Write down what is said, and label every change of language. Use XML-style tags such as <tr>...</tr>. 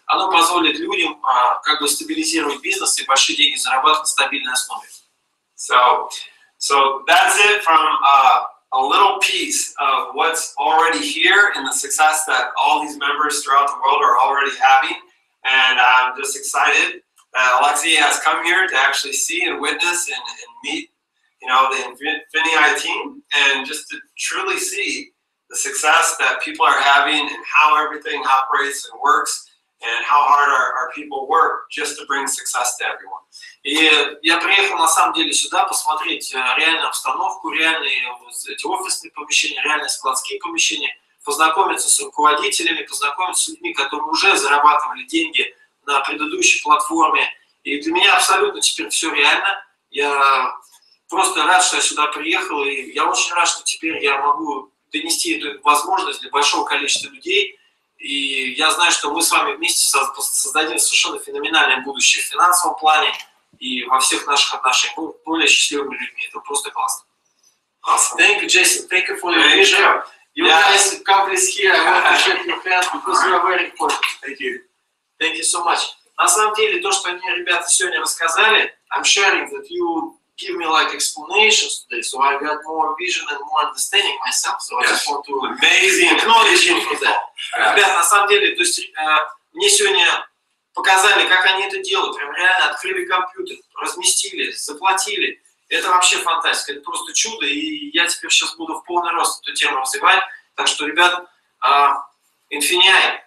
<ru>Оно позволит людям как бы стабилизировать бизнес и большие деньги зарабатывать на стабильной основе.</ru> <en>So that's it from a little piece of what's already here and the success that all these members throughout the world are already having. And I'm just excited that Alexei has come here to actually see and witness and meet, you know, the Infinii team, and just to truly see the success that people are having and how everything operates and works and how hard our people work just to bring success to everyone.</en> <ru>И я приехал на самом деле сюда посмотреть реальную обстановку, реальные вот эти офисные помещения, реальные складские помещения, познакомиться с руководителями, познакомиться с людьми, которые уже зарабатывали деньги на предыдущей платформе. И для меня абсолютно теперь все реально. Я просто рад, что я сюда приехал, и я очень рад, что теперь я могу донести эту возможность для большого количества людей. И я знаю, что мы с вами вместе создадим совершенно феноменальное будущее в финансовом плане и во всех наших отношениях. Мы более счастливыми людьми. Это просто классно.</ru> <en>Awesome. Thank you, Jason. Thank you for your vision. You guys come this here. I want to shake your hands because you are very important. Thank you. Thank you so much.</en> <ru>На самом деле, то, что они, ребята, сегодня рассказали,</ru> <en>I'm sharing that you give me like explanations today, so I got more vision and more understanding myself. So yes. I just want to amazing acknowledge you for that. Yes.</en> <ru>Ребята, на самом деле, то есть мне сегодня показали, как они это делают, прям реально открыли компьютер, разместили, заплатили. Это вообще фантастика, это просто чудо, и я теперь сейчас буду в полный рост эту тему развивать. Так что, ребят, Infinii.</ru>